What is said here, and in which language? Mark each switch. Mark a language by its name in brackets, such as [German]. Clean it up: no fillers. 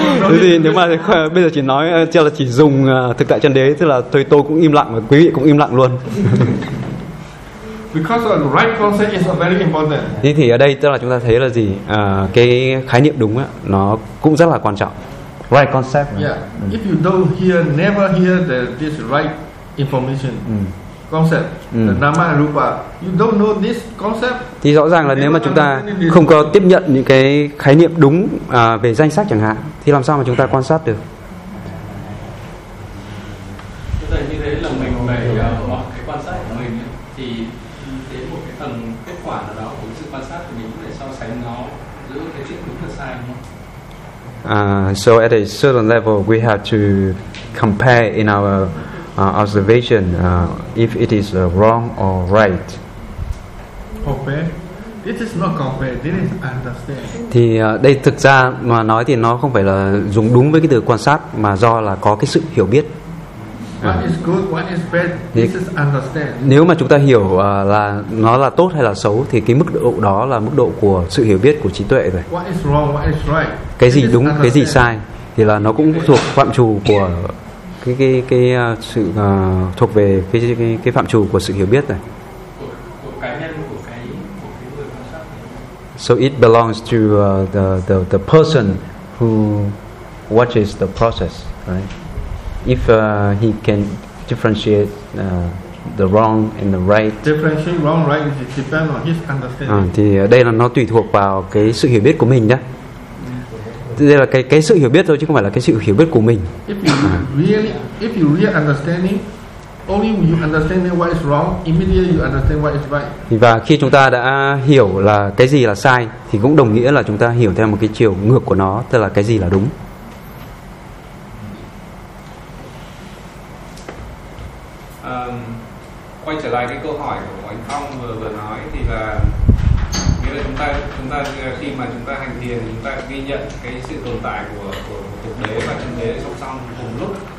[Vietnamese] Thế thì nếu mà bây giờ chỉ nói, chứ là chỉ dùng thực tại chân đế, tức là tôi cũng im lặng và quý vị cũng im lặng luôn. [English] Because the right concept is very important. [Vietnamese] Thế thì ở đây tức là chúng ta thấy là gì? Cái khái niệm đúng á, nó cũng rất là quan trọng. [English] Right concept. Yeah. If you don't hear, never hear the this right information. Concept, nama rupa. You don't know this concept. [Vietnamese] Thì rõ ràng là nếu mà chúng ta không có tiếp nhận những cái khái niệm đúng về danh sách chẳng hạn, thì làm sao mà chúng ta quan sát được? Như thế là mình phải mọi cái quan sát của mình thì đến một cái tầng kết quả nào đó của sự quan sát thì mình phải so sánh nó giữa cái chuyện đúng hay sai, đúng không? [English] So at a certain level, we have to compare in our observation if it is wrong or right. Okay. This is not compare. This is understand. [Vietnamese] Thì đây thực ra mà nói thì nó không phải là dùng đúng với cái từ quan sát, mà do là có cái sự hiểu biết. [English] What is good, what is bad, this is understand. [Vietnamese] Nếu mà chúng ta hiểu là nó là tốt hay là xấu, thì cái mức độ đó là mức độ của sự hiểu biết, của trí tuệ rồi. [English] What is wrong, what is right? [Vietnamese] Cái gì đúng, cái gì sai thì là nó cũng thuộc phạm trù của cái sự thuộc về cái phạm trù của sự hiểu biết này. [English] So it belongs to the person who watches the process, right? If he can differentiate the wrong and the right. Differentiate wrong right is depend on his understanding. [Vietnamese] Thì đây là nó tùy thuộc vào cái sự hiểu biết của mình nhé. Đây là cái sự hiểu biết thôi, chứ không phải là cái sự hiểu biết của mình. [English] If you really understanding, only when you understand what is wrong, immediately you understand what is right. [Vietnamese] Và khi chúng ta đã hiểu là cái gì là sai, thì cũng đồng nghĩa là chúng ta hiểu theo một cái chiều ngược của nó, tức là cái gì là đúng. Quay trở lại cái câu hỏi của anh Phong vừa nói, thì là chúng ta khi mà chúng ta hành thiền, chúng ta ghi nhận cái sự tồn tại của thực đế và chân đế song song cùng lúc.